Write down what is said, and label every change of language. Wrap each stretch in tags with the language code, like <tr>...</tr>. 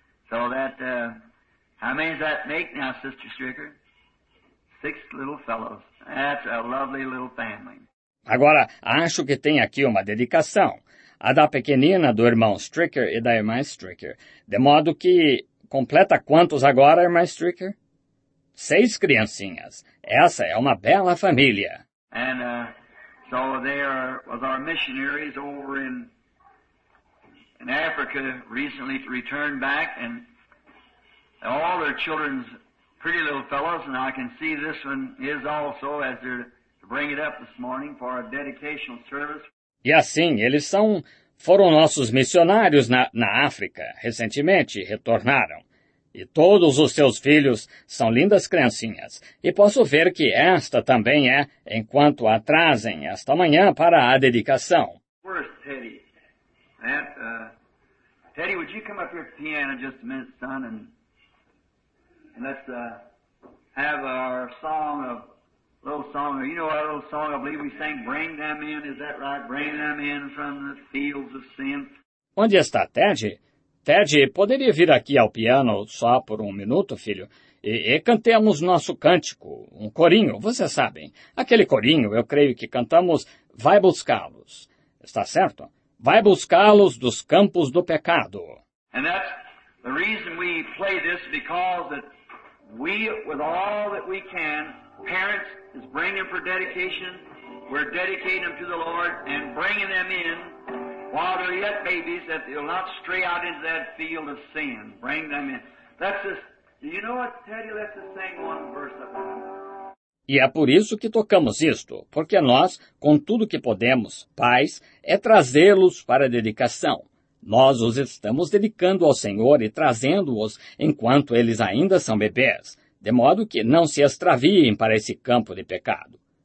<en>So that, how many does that make now, Sister Stricker? Six little fellows. That's a lovely little family.</en> <pt>Agora, acho que tem aqui uma dedicação. A da pequenina do irmão Stricker e da irmã Stricker. De modo que, completa quantos agora, irmã Stricker? Seis criancinhas. Essa é uma bela família.</pt> <en>And so there was our missionaries over in Africa recently to return back, and all their children's pretty little fellows, and I can see this one is also as they're to bring it up this morning for a dedicational service.</en> <pt>E assim, eles foram nossos missionários na África, recentemente retornaram. E todos os seus filhos são lindas criancinhas. E posso ver que esta também é, enquanto a trazem esta manhã para a dedicação.</pt> <en>Where's Teddy? Aunt, Teddy, would you come up here to the piano just a minute, son, and let's have our song of little song. You know our little song I believe we sang, Bring Them In, is that right? Bring them in from the fields of sin.</en> <pt>Onde está Teddy? Ted, poderia vir aqui ao piano só por um minuto, filho? E cantemos nosso cântico, um corinho, vocês sabem. Aquele corinho, eu creio que cantamos, vai buscá-los. Está certo? Vai buscá-los dos campos do pecado.</pt> <en>And that's the reason we play this, because that we, with all that we can, parents is bringing for dedication, we're dedicating them to the Lord and bringing them in. While they're yet babies, that they'll not stray out into that field of sin. Bring them in. Let's just, do you know what, Teddy? Let's just sing one verse of</en> <pt>it. E é por isso que tocamos isto, porque nós, com tudo que podemos, pais, é trazê-los para a dedicação. Nós os estamos dedicando ao Senhor e trazendo-os enquanto eles ainda são bebês, de modo que não se extraviem para esse campo de pecado.</pt>